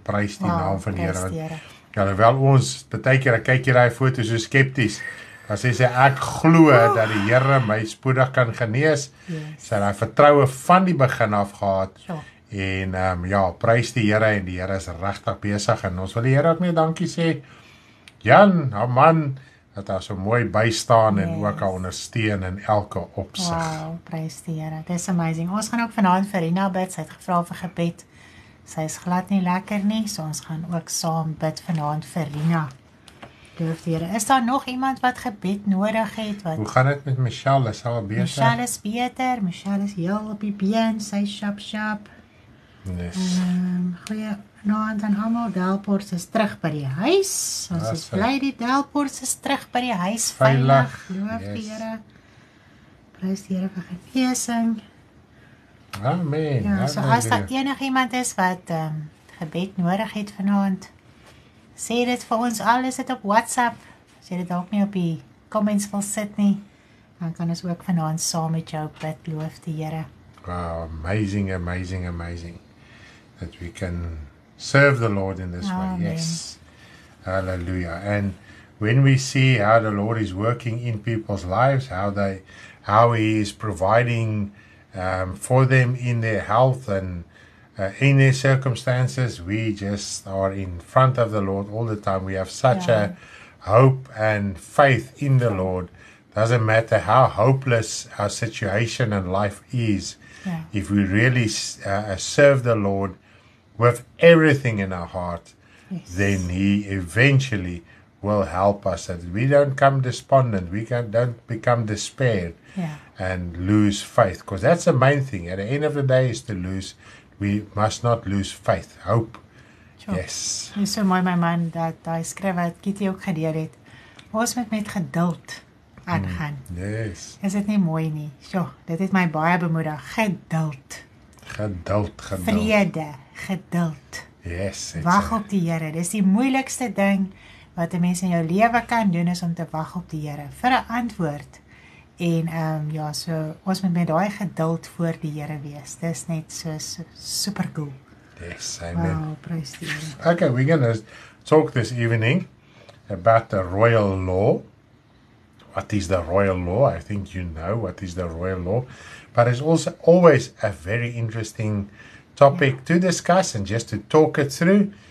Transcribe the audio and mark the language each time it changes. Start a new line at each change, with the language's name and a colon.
Afrikaans: Prys die naam van die Here. Ja, wel ons, baie keer, ek kyk hier die foto so skepties, dan sê sy, ek glo dat die Here my spoedig kan genees, sy het vertroue van die begin af gehad, en ja, prys die Here, en die Here is regtig besig, en ons wil die Here ook net dankie sê, Jan, haar man, dat haar so mooi bystaan, en ook haar ondersteun in elke opsig. Wow, prys die Here, dis amazing, ons gaan ook vanavond vir Rina bid, sy het gevra vir gebed, sy is glad nie lekker nie, so ons gaan ook saam bid vanavond vir Rina. Loof die Here. Is daar nog iemand wat gebed nodig het? Wat? Hoe gaan het met Michelle? Is al beter? Michelle is beter, Michelle is heel op die been, sy shop shop.
English: Yes.
Afrikaans: Goeie naand aan Hamel, Delport is terug by die huis. Ons is blij die Delport is terug by die huis, veilig. Loof die Here. Prys die Here vir genesing. Amen. Ja, so as daar enig iemand is wat gebed nodig het vanavond, sê dit vir ons al, is dit op WhatsApp, as jy dit ook nie op die comments wil sit nie, dan kan ons ook vanavond saam met jou bid, loof die Here.
English: Wow, amazing, amazing, amazing, that we can serve the Lord in this Amen. Way, yes. Hallelujah. And When we see how the Lord is working in people's lives, how He is providing for them in their health and in their circumstances, we just are in front of the Lord all the time. We have such a hope and faith in the Lord. Doesn't matter how hopeless our situation and life is, if we really serve the Lord with everything in our heart, then He eventually will help us, that we don't come despondent, we don't become despaired and lose faith. Because that's the main thing. At the end of the day, is to lose, we must not lose faith, hope. Sure. Yes.
Afrikaans: Dis so mooi, my man, dat hy skryf wat Kitty ook gedeel het. Ons moet met geduld aangaan.
English: Yes.
Afrikaans: Is dit nie mooi nie? Sjoe, dit het my baie bemoedig. Geduld. Geduld, geduld. Vrede, geduld.
English: Yes.
Afrikaans: Wag op die Here. Dis die moeilikste ding wat 'n mens in jou lewe kan doen, is om te wag op die Here vir 'n antwoord. En so ons moet met daai geduld voor die Here wees. Dis net so, so super cool.
English: Yes, amen. Wow, praise the Lord. Okay, we're going to talk this evening about the royal law. What is the royal law? I think you know what is the royal law. But it's also always a very interesting topic to discuss and just to talk it through.